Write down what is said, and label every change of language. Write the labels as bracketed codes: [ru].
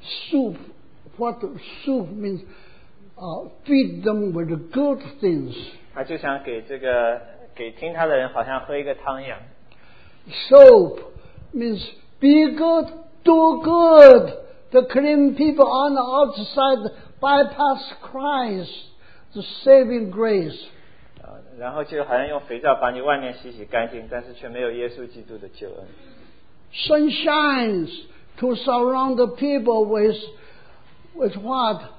[en] Soup, what soup means, feed them with the good things. [zh] 他就想给听他的人好像喝一个汤一样。 [en] Soap means be good, do good. The clean people on the outside bypass Christ, the saving grace. [zh] 然后就好像用肥皂把你外面洗洗干净，但是却没有耶稣基督的救恩。 [en] Sunshines to surround the people with what?